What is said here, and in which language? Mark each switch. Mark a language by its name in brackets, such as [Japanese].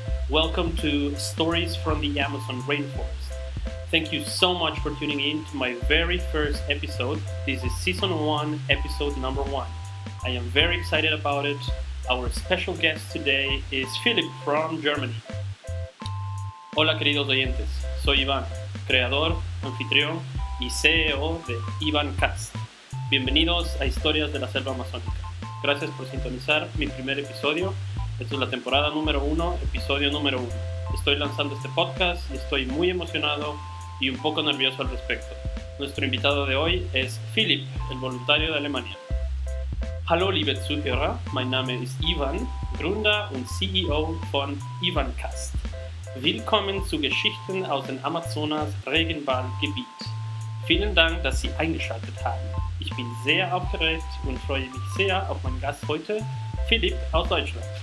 [English] Welcome to Stories from the Amazon Rainforest. Thank you so much for tuning in to my very first episode. This is season one, episode number one. I am very excited about it. Our special guest today is Philip from Germany. [Spanish] Hola queridos oyentes, soy Ivan, creador, anfitrión y CEO de IvanCast. Bienvenidos a Historias de la Selva Amazónica. Gracias por sintonizar mi primer episodio. Esta es la temporada número uno, episodio número uno. Estoy lanzando este podcast y estoy muy emocionado y un poco nervioso al respecto. Nuestro invitado de hoy es Philip, el voluntario de Alemania. [German] Hallo liebe Zuhörer, mein Name ist Ivan, Gründer und CEO von IvanCast. Willkommen zu Geschichten aus dem Amazonas Regenwaldgebiet. Vielen Dank, dass Sie eingeschaltet haben. Ich bin sehr aufgeregt und freue mich sehr auf meinen Gast heute, Philip aus Deutschland.